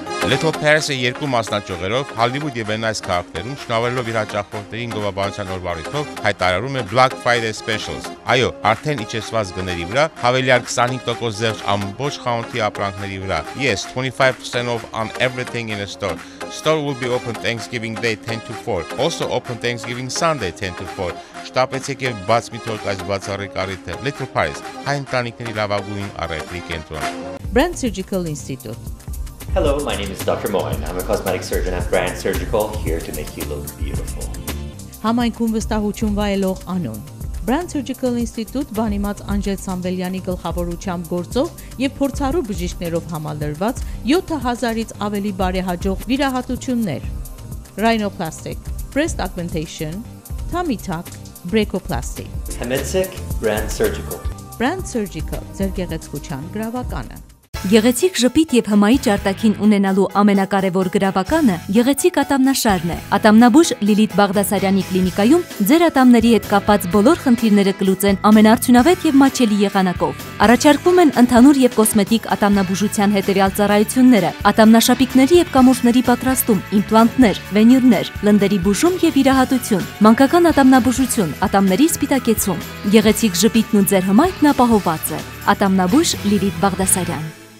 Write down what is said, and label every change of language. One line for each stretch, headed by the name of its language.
Armenian: Little Paris-ը երկու մասնաճյուղերով Hollywood եւ Venice քաղաքներում շնորհելով իր հաճախորդներին գովաբանության օրվանից հայտարարում է Black Friday Specials։ Այո, արդեն իջեցված գների վրա հավելյալ 25% զեղչ ամբողջ խանութի ապրանքների վրա։
English: Yes, 25% off on everything in a store. Store will be open Thanksgiving Day 10 to 4. Also open Thanksgiving Sunday 10 to 4.
Armenian: Շտապեցեք եւ բաց մի թող այս բացառիկը Little Paris, հայ ընտանիքների լավագույն առևտրի կենտրոն։
English: Brand Surgical Institute. Hello, my name is Dr. Moen. I'm a cosmetic surgeon at Brand Surgical, here to make you look beautiful.
Armenian: Համայնքում վստահություն վայելող անուն Brand Surgical Institute, բանիմաց Անջել Սամբելյանի գլխավորությամբ գործող եւ փորձառու բժիշկներով համալրված 7000-ից ավելի բարեհաջող վիրահատություններ.
English: Rhinoplastic, breast augmentation, tummy tuck, brachioplasty. Hemetic, Brand Surgical.
Armenian: Brand Surgical, ձեր գեղեցկության գրավականը։ Գեղեցիկ ժպիտ եւ հմայի ճարտակին ունենալու ամենակարևոր գրավականը Գեղեցիկ ատամնաշարն է։ Ատամնաբույժ Լիլիթ Բաղդասարյանի կլինիկայում ձեր ատամների հետ կապված բոլոր խնդիրները կլուծեն ամենարդյունավետ եւ մաչելի եղանակով։ Առաջարկվում են ընդհանուր եւ կոսմետիկ ատամնաբուժության հետեւյալ ծառայությունները՝ ատամնաշապիկների եւ կամուրջների պատրաստում, իմպլանտներ, վենիրներ, լնդերի բուժում եւ վիրահատություն, մանկական ատամնաբուժություն, ատամների սպիտակեցում։ Գեղեցիկ ժպիտն ու ձեր հմայքն ապահովված է։ Ատամնաբույժ Լիլիթ Բաղդասարյան։